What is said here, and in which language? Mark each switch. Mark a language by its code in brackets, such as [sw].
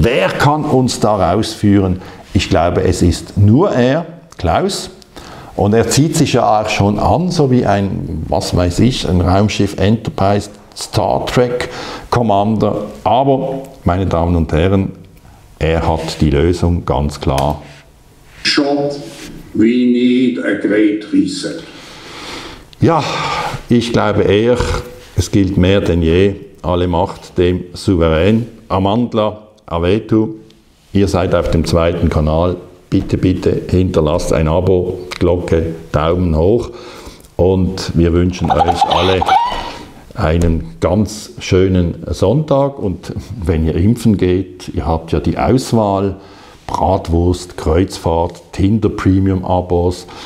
[de] Wer kann uns da rausführen? Ich glaube, es ist nur er, Klaus. Und er zieht sich ja auch schon an, so wie ein, was weiß ich, ein Raumschiff Enterprise, Star Trek Commander, aber, meine Damen und Herren, er hat die Lösung ganz klar. [en] Short, we need a great reset. [de] Ja, ich glaube eher, es gilt mehr denn je, alle Macht dem Souverän. [zu] Amandla, Avetu, [de] ihr seid auf dem zweiten Kanal, bitte, bitte hinterlasst ein Abo, Glocke, Daumen hoch und wir wünschen euch alle einen ganz schönen Sonntag und wenn ihr impfen geht, ihr habt ja die Auswahl, Bratwurst, Kreuzfahrt, Tinder-Premium-Abos.